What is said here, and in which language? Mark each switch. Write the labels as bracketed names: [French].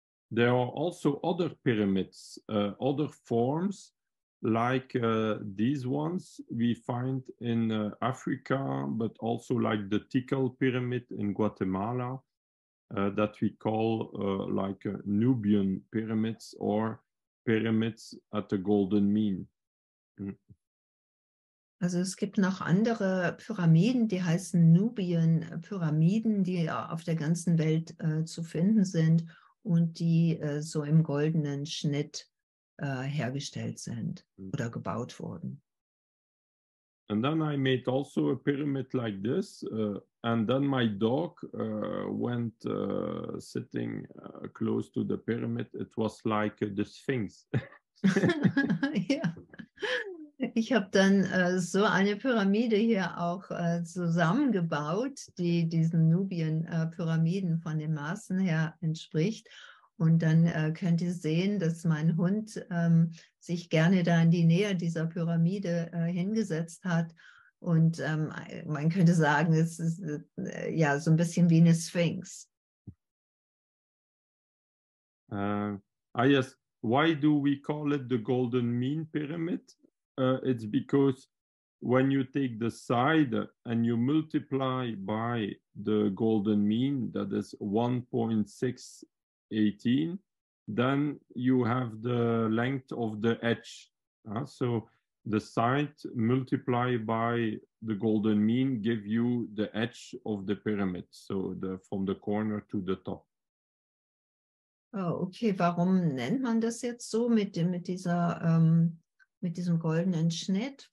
[English] there are also other pyramids, other forms, like these ones we find in Africa, but also like the Tikal pyramid in Guatemala. That we call like Nubian pyramids or pyramids at the golden mean. [German] Also es gibt noch andere Pyramiden, die heißen Nubian Pyramiden, die auf der ganzen Welt zu finden sind und die so im goldenen Schnitt hergestellt sind oder gebaut wurden. [English] And then I made also a pyramid like this. And then my dog went sitting close to the pyramid. It was like the Sphinx. [German] Ja. Ich habe dann so eine Pyramide hier auch zusammengebaut, die diesen Nubien-Pyramiden von den Maßen her entspricht. Und dann könnt ihr sehen, dass mein Hund sich gerne da in die Nähe dieser Pyramide hingesetzt hat. Und man könnte sagen, es ist ja so ein bisschen wie eine Sphinx. [English] Yes, why do we call it the golden mean pyramid? It's because when you take the side and you multiply by the golden mean, that is 1.618, then you have the length of the edge. So the side multiplied by the golden mean give you the edge of the pyramid, so from the corner to the top. [German] Okay, warum nennt man das jetzt so mit diesem goldenen Schnitt?